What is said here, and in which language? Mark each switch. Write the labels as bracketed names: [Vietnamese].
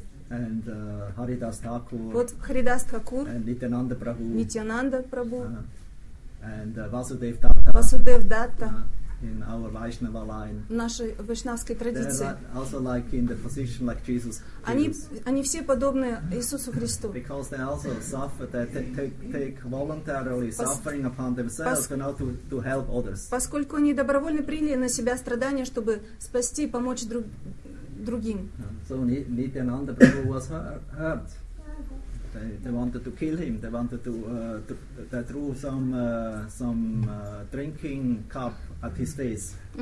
[English] And Haridas Thakur. [Russian] Вот Haridas Thakur. [English] And Nityananda Prabhu. [Russian] Nityananda Prabhu. [English] And Vasudev Datta. [Russian] Vasudev Datta. [English] In our Vaishnava line. [Russian] В нашей вайшнавской традиции. [English] Also like in the position like Jesus. [Russian] Они все подобны Иисусу Христу. [English] Because they also suffer, they take voluntarily suffering upon themselves in order to help others. [Russian] Поскольку они добровольно приняли на себя страдания, чтобы спасти и помочь другим. [English] So Nityananda Prabhu was hurt. They wanted to kill him. They wanted to threw some drinking cup at his face.